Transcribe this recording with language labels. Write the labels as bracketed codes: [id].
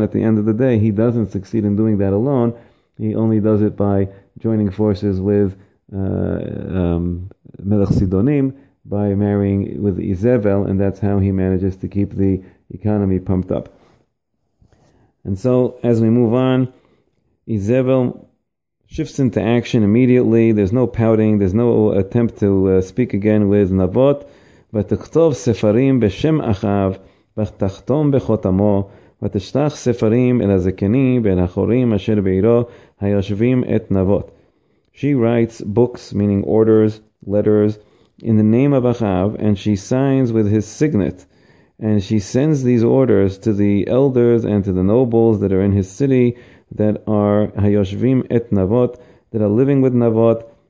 [en] And at the end of the day, he doesn't succeed in doing that alone. He only does it by joining forces with Melech Sidonim, by marrying with Izebel, and that's how he manages to keep the economy pumped up. And so, as we move on, Izebel shifts into action immediately. There's no pouting. There's no attempt to speak again with Nabot. [he] ותכתוב ספרים בשם אחיו, ותחתום בחותמו, ותשלח ספרים אל הזקנים ואל החורים אשר בעירו, היושבים את נבות. [en] She writes books, meaning orders, letters, in the name of אחיו, and she signs with his signet. And she sends these orders to the elders and to the nobles that are in his city, that are [he] Hayoshvim et Navot, [en] that are living with Navot.